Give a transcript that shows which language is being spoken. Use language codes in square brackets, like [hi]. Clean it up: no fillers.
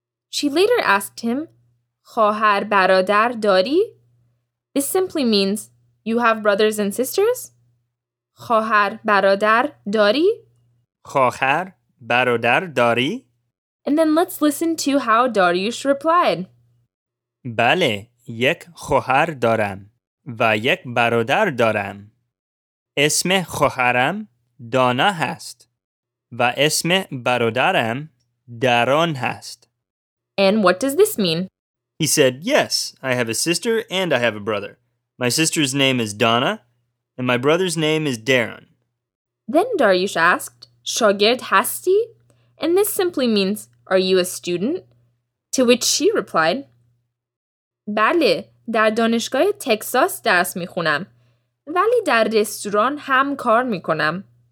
[en] She later asked him, [fa] خواهر برادر داری؟ [en] This simply means, you have brothers and sisters? [fa] خواهر برادر داری؟ خواهر برادر داری؟ [en] And then let's listen to how Dariush replied. [fa] بله، یک خواهر دارم و یک برادر دارم. اسم خواهرم دانا هست و اسم برادرم داران هست. [en] And what does this mean? He said, yes, I have a sister and I have a brother. My sister's name is Dana and my brother's name is Daron. Then Dariush asked, [fa] شاگرد هستی? [en] And this simply means, are you a student? To which she replied, [fa] بله، در دانشگاه تکساس درس میخونم. ولی در رستوران هم کار میکنم.